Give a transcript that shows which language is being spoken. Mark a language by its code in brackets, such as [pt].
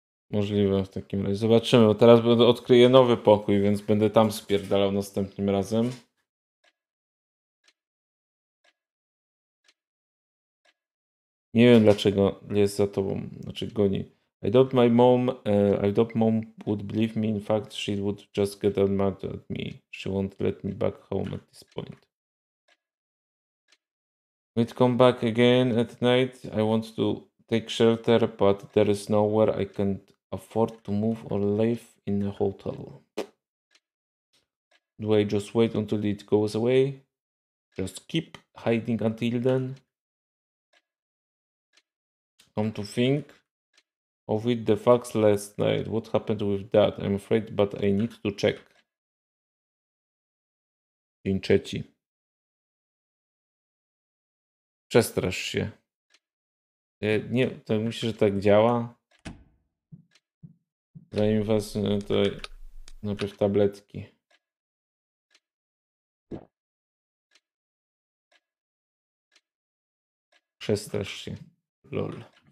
[pl] Możliwe w takim razie. Zobaczymy, bo teraz odkryję nowy pokój, więc będę tam spierdalał następnym razem. Nie wiem dlaczego jest za tobą, znaczy goni. [en] I doubt mom would believe me, in fact she would just get mad at me. She won't let me back home at this point. We'd come back again at night. I want to take shelter, but there is nowhere I can afford to move or live in a hotel. Do I just wait until it goes away? Just keep hiding until then. Come to think of it, the facts last night. What happened with that? I'm afraid, but I need to check. [pl] Dzień trzeci. Przestrasz się. Nie, to myślę, że tak działa. Zanim was to najpierw tabletki. Przestrasz się. Lol.